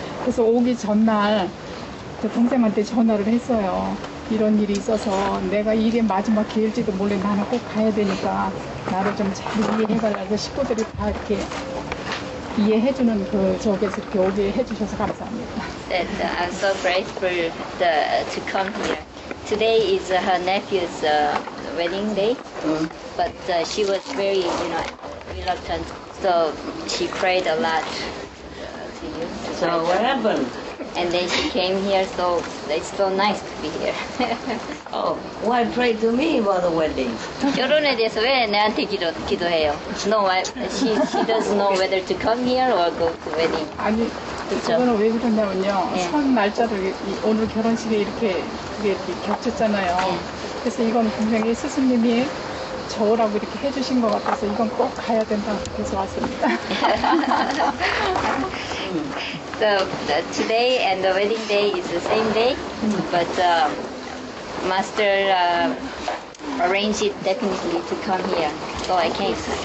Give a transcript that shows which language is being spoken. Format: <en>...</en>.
<ko>그래서 오기 전날 동생한테 전화를 했어요. 이런 일이 있어서 내가 일의 마지막 기회일지도 몰래 나는 꼭 가야 되니까 나를 좀 잘 이해해달라고 식구들이 다 이렇게 이해해주는 그 저기에서 이렇게 오게 해주셔서 감사합니다.</ko> <en>And I'm so grateful to come here. Today is her nephew's wedding day, but she was very, you know, reluctant. So she prayed a lot to you. So what happened? And then she came here, so it's so nice to be here. Oh, why pray to me about the wedding?</en> <ko>결혼에 대해서 왜 내한테 기도해요?</ko> <en>No, she doesn't know whether to come here or go to wedding.</en> <ko>아니, 그거는 왜 그러냐면요. 선 날짜를 오늘 결혼식에 이렇게 겹쳤잖아요. 그래서 이건 분명히 스승님이 저라고 이렇게 해주신 것 같아서 이건 꼭 가야 된다고 해서 왔습니다.</ko> <en>So today and the wedding day is the same day, but Master arranged it definitely to come here, so I came.</en>